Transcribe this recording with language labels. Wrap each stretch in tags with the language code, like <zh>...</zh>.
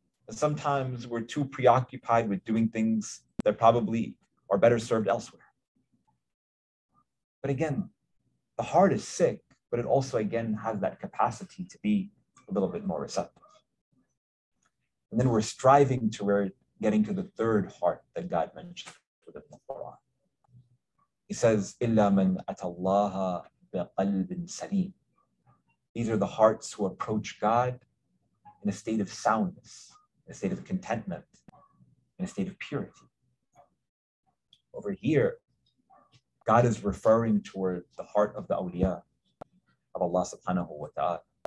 <en>Sometimes we're too preoccupied with doing things that probably are better served elsewhere. But again, the heart is sick, but it also, again, has that capacity to be a little bit more receptive. And then we're striving to where getting to the third heart that God mentioned within the Quran. He says,</en> <ar>إِلَّا مَنْ أَتَى اللَّهَ بِقَلْبٍ سَلِيمٍ.</ar> <en>These are the hearts who approach God in a state of soundness, in a state of contentment, in a state of purity. Over here, God is referring toward the heart of the awliya of Allah subhanahu wa ta'ala.</en>